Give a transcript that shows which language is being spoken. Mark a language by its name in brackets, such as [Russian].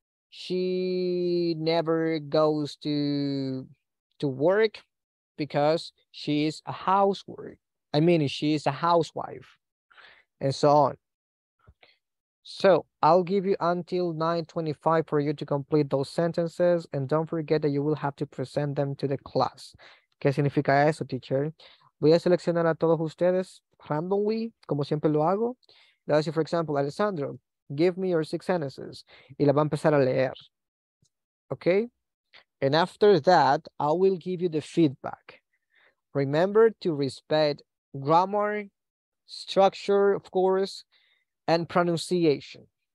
[English] She never goes to work because she is a housework. I mean, she is a housewife and so on. So I'll give you until 9:25 for you to complete those sentences. And don't forget that you will have to present them to the class. [Spanish] ¿Qué significa eso, teacher? Voy a seleccionar a todos ustedes randomly, como siempre lo hago. [English] Let's say, for example, Alessandro, give me your six sentences. [Spanish] Y la va a empezar a leer. [English] Okay? And after that, I will give you the feedback. Remember to respect grammar, structure, of course, and pronunciation.